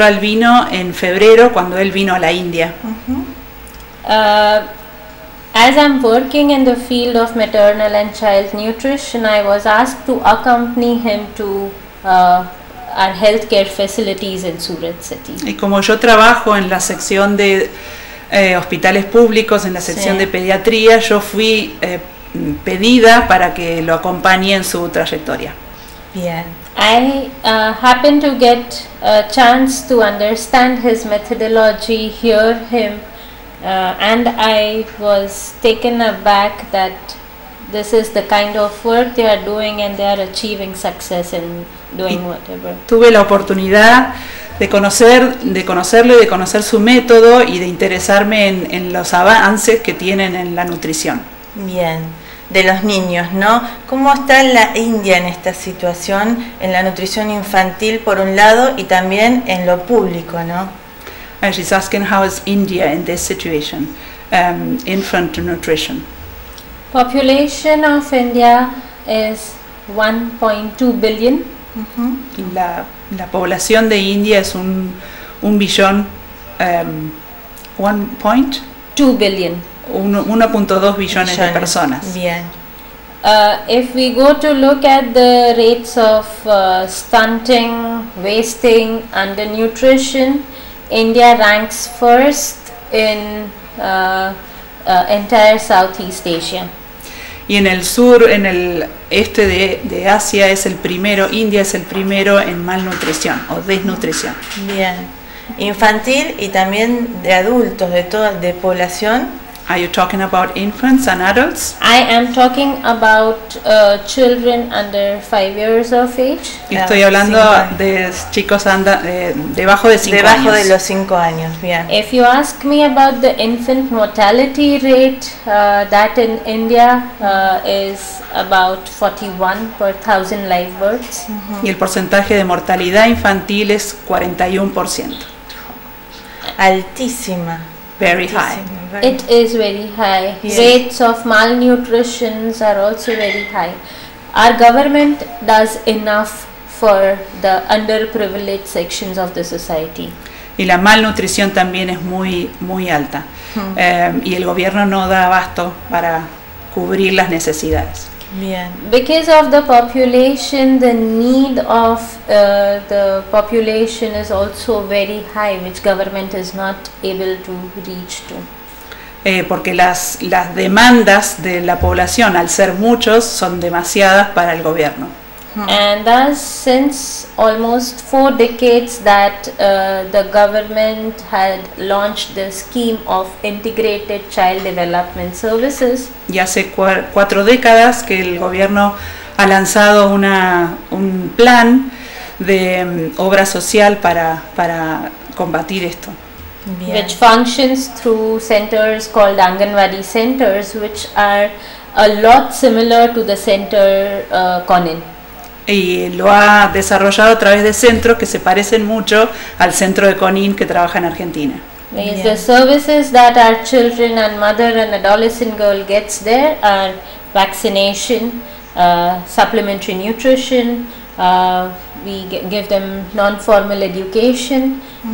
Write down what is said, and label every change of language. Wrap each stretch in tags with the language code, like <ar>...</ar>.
<es>Albino en febrero cuando él vino a la India.</es> <en>As I'm working in the field of maternal and child nutrition, I was asked to accompany him to our healthcare facilities in Surat City.</en> <es>Y como yo trabajo en la sección de hospitales públicos, en la sección de pediatría, yo fui pedida para que lo acompañe en su trayectoria. Bien.</es> <en>I happened to get a chance to understand his methodology, hear him. And I was taken aback that this is the kind of work they are doing and they are achieving success in doing whatever.</en> <es>Tuve la oportunidad de conocerlo y de conocer su método y de interesarme en los avances que tienen en la nutrición. Bien, de los niños, ¿no? ¿Cómo está la India en esta situación, en la nutrición infantil por un lado y también en lo público, ¿no?</es> <en>And she's asking, how is India in this situation, infant nutrition? Population of India is 1.2 billion. Mm-hmm.</en> <es>La población de India es un billón,</es> <en>1.2 billion.</en> <es>1.2 billones de personas. Bien.</es> <en>If we go to look at the rates of stunting, wasting, undernutrition, India ranks first in entire Southeast Asia.</en> <es>Y en el sur, en el este de Asia, es el primero. India es el primero en malnutrición o desnutrición. Bien, infantil y también de adultos, de toda de población.</es> <en>Are you talking about infants and adults? I am talking about children under 5 years of age.</en> <es>Estoy hablando de chicos debajo de 5 años. Debajo de los 5 años, bien.</es> <en>If you ask me about the infant mortality rate, that in India is about 41 per 1,000 live births.</en> <es>Y el porcentaje de mortalidad infantil es 41%. Altísima.</es> <en>Very high. It is very high. Yes. Rates of malnutrition are also very high. Our government does enough for the underprivileged sections of the society.</en> <es>Y la malnutrición también es muy, muy alta. Y el gobierno no da abasto para cubrir las necesidades. Bien.</es> <en>Because of the population, the need of the population is also very high, which government is not able to reach to.</en> <es>Porque las demandas de la población, al ser muchos, son demasiadas para el gobierno.</es> <en>And thus, since almost 4 decades that the government had launched the scheme of integrated child development services.</en> <es>Y hace 4 décadas que el gobierno ha lanzado un plan de obra social para combatir esto. Bien.</es> <en>Which functions through centers called Anganwadi centers, which are a lot similar to the center Conin.</en> <es>Y lo ha desarrollado a través de centros que se parecen mucho al centro de Conin que trabaja en Argentina.</es> <en>Yes, the services that our children and mother and adolescent girl gets there are vaccination, supplementary nutrition, we give them non-formal education, mm-hmm.</en>